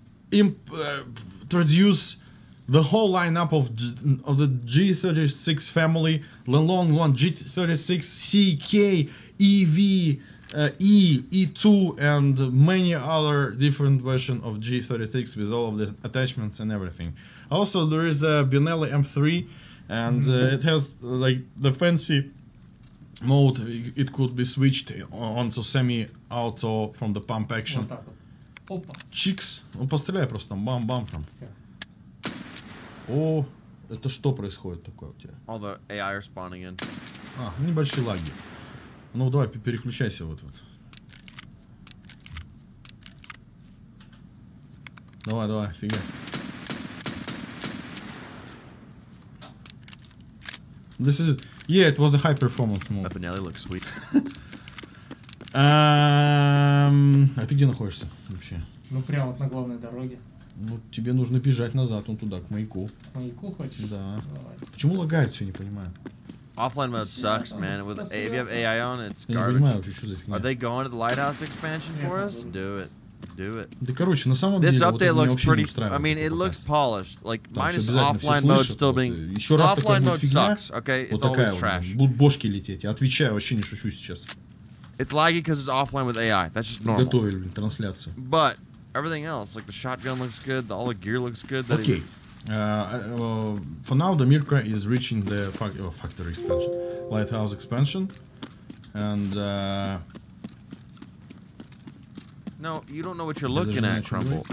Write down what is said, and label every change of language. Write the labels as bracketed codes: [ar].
[en] introduce the whole lineup of the G36 family, the long one, G36, CK, EV, E, E2, and many other different versions of G36 with all of the attachments and everything. Also, there is a Benelli M3, and it has like the fancy mode. It could be switched onto semi-auto from the pump action. [ru] Опа. Чикс. Ну постреляй просто там бам-бам там. О, это что происходит такое у тебя? [en] All the AI are spawning in. [ru] А, небольшие лаги. Ну давай переключайся вот-вот. Давай-давай, фига. [en] This is it. Yeah, it was a high performance move. Epinelli looks sweet. [ru] А ты где находишься вообще? Ну прямо вот на главной дороге. Ну тебе нужно бежать назад, вон туда, к маяку. К маяку хочешь? Да. Давай. Почему лагает все, не понимаю. [en] Offline mode sucks, man. With a, if you have AI on, it's garbage. [ru] Я не понимаю, что за фигня. [en] Are they going to the lighthouse expansion for us? Do it. Do it. [ru] Да, короче, на самом деле, вот это [en] looks pretty, I mean, it looks polished. Like, там, minus offline mode still being... [ru] Еще раз такая фигня, [en] sucks, okay? It's [ru] вот такая [en] trash. [ru] Вот, будут бошки лететь. Я отвечаю, вообще не шучу сейчас. [en] It's laggy because it's offline with AI. That's just normal. [ru] Готовили, блин, трансляцию. [en] But everything else, like the shotgun looks good, the, all the gear looks good. Okay. Even... For now, the Mirka is reaching the factory expansion. Lighthouse expansion. And, No, you don't know what you're looking at, Crumble.